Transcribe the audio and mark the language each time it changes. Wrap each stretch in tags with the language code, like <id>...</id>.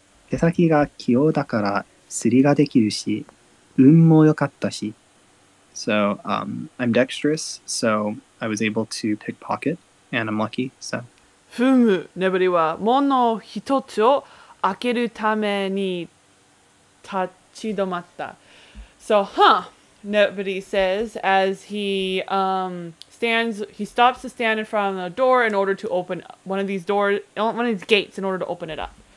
<ja>手先が器用だから釣りができるし、運も良かったし。</ja> <en>So, I'm dexterous, so I was able to pickpocket, and I'm lucky, so.</en> <ja>ふむ、ねぶりは門の一つを開けるために立ち止まった。</ja> <en>So, huh? Nobody says as he stops to stand in front of the door in order to open one of these doors, one of these gates in order to open it up.</en>